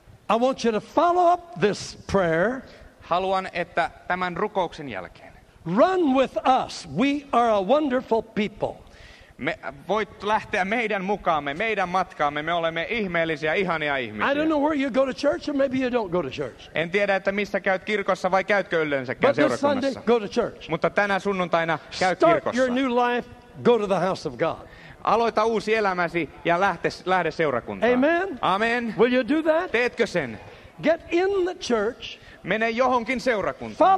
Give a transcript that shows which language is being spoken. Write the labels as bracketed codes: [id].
[en] I want you to follow up this prayer. [fi] Haluan, että tämän rukouksen jälkeen. [en] Run with us. We are a wonderful people. [fi] Me voit lähteä meidän mukaamme, meidän matkaamme. Me olemme ihmeellisiä, ihania ihmisiä. [en] I don't know where you go to church or maybe you don't go to church. [fi] En tiedä, että missä käyt kirkossa vai käytkö yleensäkään seurakunnassa. [en] But this Sunday, go to church. [fi] Mutta tänä sunnuntaina käy [en] Start [fi] kirkossa. [en] Start your new life, go to the house of God. [fi] Aloita uusi elämäsi ja lähde seurakuntaan. Amen. Amen. [en] Will you do that? [fi] Teetkö sen? [en] Get in the church. [fi] Mene johonkin seurakuntaan.